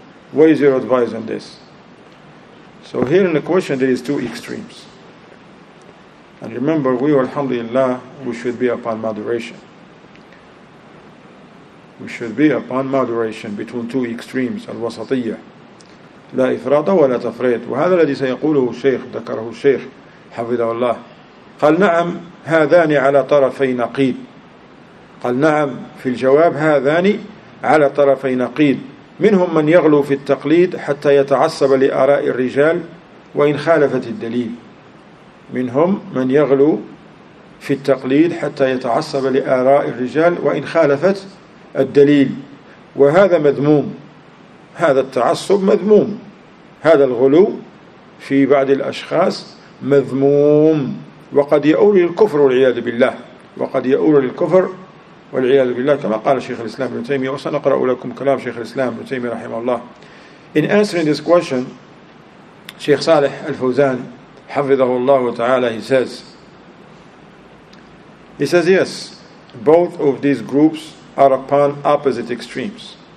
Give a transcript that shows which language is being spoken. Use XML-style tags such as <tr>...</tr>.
<en>What is your advice on this? So here in the question, there is two extremes. And remember, we, alhamdulillah, we should be upon moderation. We should be upon moderation between two extremes, al-wasatiyya.</en> <ar>لا إفراط ولا تفريط. وهذا الذي سيقوله الشيخ, ذكره الشيخ حفظه الله. قال نعم هذان على طرفي نقيض. قال نعم في الجواب هذان على طرفي نقيض. منهم من يغلو في التقليد حتى يتعصب لآراء الرجال وإن خالفت الدليل. منهم من يغلو في التقليد حتى يتعصب لآراء الرجال وإن خالفت الدليل. وهذا مذموم. هذا التعصب مذموم. هذا الغلو في بعض الأشخاص مذموم. وقد يؤول للكفر والعياذ بالله, وقد يؤول للكفر والعياذ بالله, كما قال شيخ الإسلام ابن تيمية. وسنقرأ لكم كلام شيخ الإسلام ابن تيمية رحمه الله.</ar> <en>In answering this question, شيخ صالح الفوزان</en> <ar>حفظه الله تعالى,</ar> <en>he says yes, both of these groups are upon opposite extremes.</en>